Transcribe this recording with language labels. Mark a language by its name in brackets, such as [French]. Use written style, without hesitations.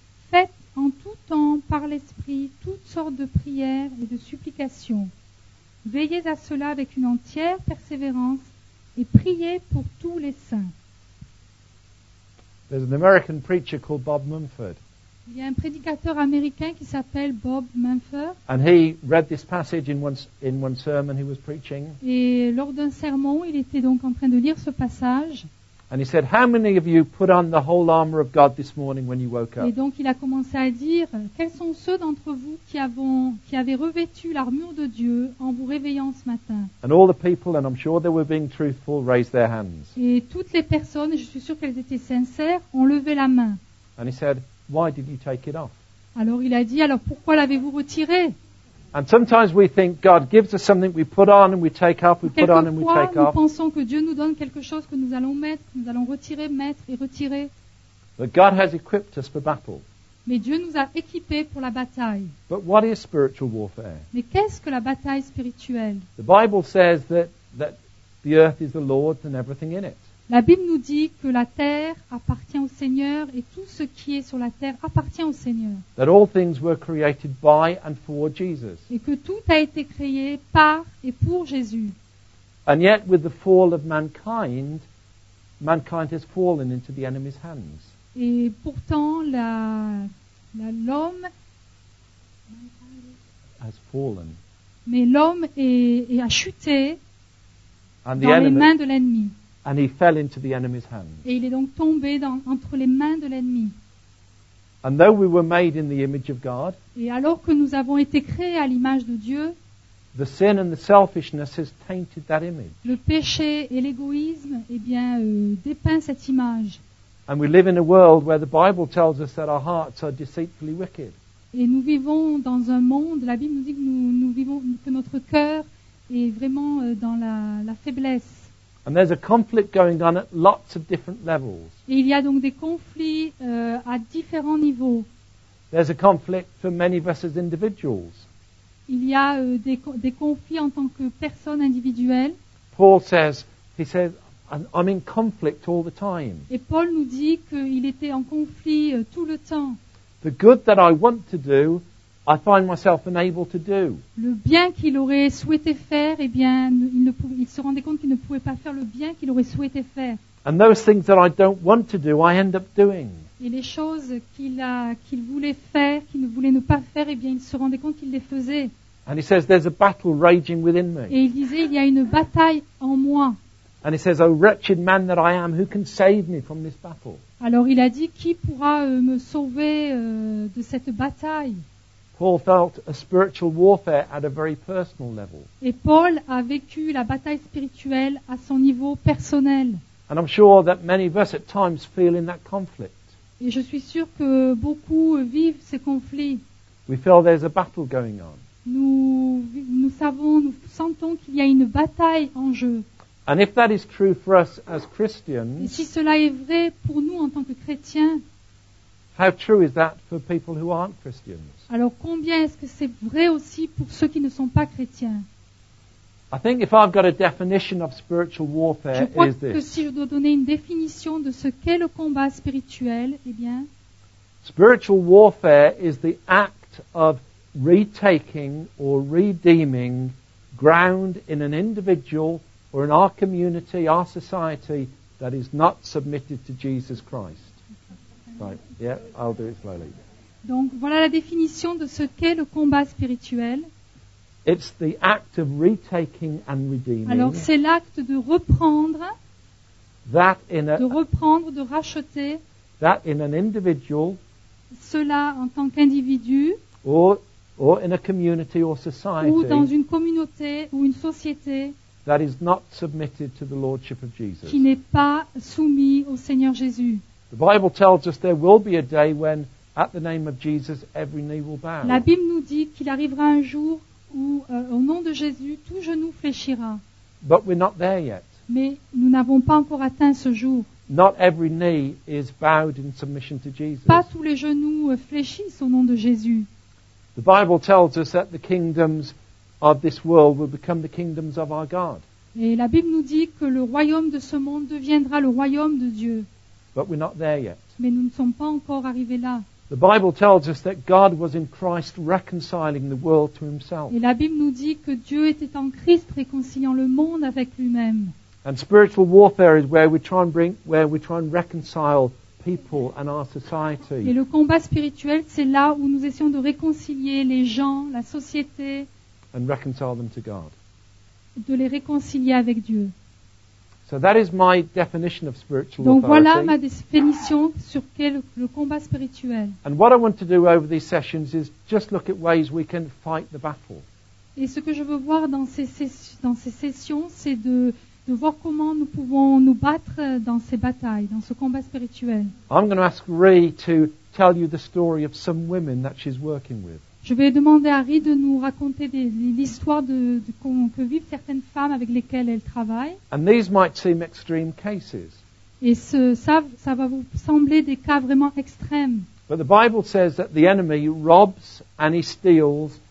[French] Faites en tout temps par l'esprit toutes sortes de prières et de supplications. Veillez à cela avec une entière persévérance et priez pour tous les saints. [English] There's an American preacher called Bob Mumford. [French] Il y a un prédicateur américain qui s'appelle Bob Mumford. [English] And he read this passage in one sermon he was preaching. [French] Et lors d'un sermon, il était donc en train de lire ce passage. [English] And he said, how many of you put on the whole armor of God this morning when you woke up? [French] Et donc il a commencé à dire, quels sont ceux d'entre vous qui avaient revêtu l'armure de Dieu en vous réveillant ce matin? [English] And all the people, and I'm sure they were being truthful, raised their hands. [French] Et toutes les personnes, je suis sûr qu'elles étaient sincères, ont levé la main. [English] And he said, why did you take it off? [French] Alors il a dit, alors pourquoi l'avez-vous retiré? [English] And sometimes we think God gives us something we put on and we take off, we put on and we take off. [French] Quelquefois, nous pensons que Dieu nous donne quelque chose que nous allons mettre, que nous allons retirer, mettre et retirer. [English] But God has equipped us for battle. [French] Mais Dieu nous a équipés pour la bataille. [English] But what is spiritual warfare? [French] Mais qu'est-ce que la bataille spirituelle? [English] The Bible says that the earth is the Lord's and everything in it. [French] La Bible nous dit que la terre appartient au Seigneur et tout ce qui est sur la terre appartient au Seigneur. [English] That all things were created by and for Jesus. [French] Et que tout a été créé par et pour Jésus. [English] And yet with the fall of mankind, mankind has fallen into the enemy's hands. [French] Et pourtant l'homme [English] has fallen. [French] Mais l'homme a chuté and dans les mains de l'ennemi. [English] And he fell into the enemy's hands. [French] Et il est donc tombé entre les mains de l'ennemi. [English] And though we were made in the image of God, [French] et alors que nous avons été créés à l'image de Dieu, [English] the sin and the selfishness has tainted that image. [French] Le péché et l'égoïsme, dépeint cette image. [English] And we live in a world where the Bible tells us that our hearts are deceitfully wicked. [French] Et nous vivons dans un monde, la Bible nous dit que nous vivons, que notre cœur est vraiment dans la faiblesse. [English] And there's a conflict going on at lots of different levels. [French] Et il y a donc des conflits à différents niveaux. [English] There's a conflict for many of us as individuals. [French] Il y a des conflits en tant que personne individuelle. [English] Paul says, he says, I'm in conflict all the time. [French] Et Paul nous dit qu'il était en conflit tout le temps. [English] The good that I want to do, I find myself unable to do. [French] Le bien qu'il aurait souhaité faire, il se rendait compte qu'il ne pouvait pas faire le bien qu'il aurait souhaité faire. [English] And those things that I don't want to do, I end up doing. [French] Et les choses qu'il voulait faire, qu'il ne voulait pas faire, il se rendait compte qu'il les faisait. [English] And he says, there's a battle raging within me. [French] Et il disait, il y a une bataille en moi. [English] And he says, oh wretched man that I am, who can save me from this battle? [French] Alors il a dit, qui pourra me sauver de cette bataille? [English] Paul felt a spiritual warfare at a very personal level. [French] Et Paul a vécu la bataille spirituelle à son niveau personnel. [English] And I'm sure that many of us at times feel in that conflict. [French] Et je suis sûr que beaucoup vivent ces conflits. [English] We feel there's a battle going on. [French] Nous sentons qu'il y a une bataille en jeu. [English] And if that is true for us as Christians, [French] et si cela est vrai pour nous en tant que chrétiens, [English] how true is that for people who aren't Christians? [French] Alors combien est-ce que c'est vrai aussi pour ceux qui ne sont pas chrétiens? [English] I think if I've got a definition of spiritual warfare, [French] je crois [English] is this. [French] Que si je dois donner une définition de ce qu'est le combat spirituel, bien. [English] Spiritual warfare is the act of retaking or redeeming ground in an individual or in our community, our society that is not submitted to Jesus Christ. Right. Yeah, I'll do it slowly. [French] Donc voilà la définition de ce qu'est le combat spirituel. [English] It's the act of retaking and redeeming. [French] Alors c'est l'acte de reprendre. [English] That in a, [French] de reprendre, de racheter. [English] That in an individual. [French] Cela en tant qu'individu. [English] Or in a community or society. [French] Ou dans une communauté ou une société. [English] That is not submitted to the Lordship of Jesus. [French] Qui n'est pas soumis au Seigneur Jésus. [English] The Bible tells us there will be a day when, at the name of Jesus, every knee will bow. [French] La Bible nous dit qu'il arrivera un jour où, au nom de Jésus, tout genou fléchira. [English] But we're not there yet. [French] Mais nous n'avons pas encore atteint ce jour. [English] Not every knee is bowed in submission to Jesus. [French] Pas tous les genoux fléchissent au nom de Jésus. [English] The Bible tells us that the kingdoms of this world will become the kingdoms of our God. [French] Et la Bible nous dit que le royaume de ce monde deviendra le royaume de Dieu. [English] But we're not there yet. [French] Mais nous ne sommes pas encore arrivés là. [English] The Bible tells us that God was in Christ reconciling the world to himself. [French] Et la Bible nous dit que Dieu était en Christ réconciliant le monde avec lui-même. [English] And spiritual warfare is where we try and reconcile people and our society. [French] Et le combat spirituel, c'est là où nous essayons de réconcilier les gens, la société. [English] And reconcile them to God. [French] De les réconcilier avec Dieu. [English] So that is my definition of spiritual [French] Donc [English] authority. [French] Voilà ma définition sur quel le combat spirituel. [English] And what I want to do over these sessions is just look at ways we can fight the battle. [French] Et ce que je veux voir dans ces sessions, c'est de voir comment nous pouvons nous battre dans ces batailles, dans ce combat spirituel. [English] I'm going to ask Ree to tell you the story of some women that she's working with. [French] Je vais demander à Ree de nous raconter l'histoire que vivent certaines femmes avec lesquelles elle travaille. [English] And these might seem extreme cases. [French] Et ça va vous sembler des cas vraiment extrêmes. [English] But the Bible says that the enemy robs and he steals.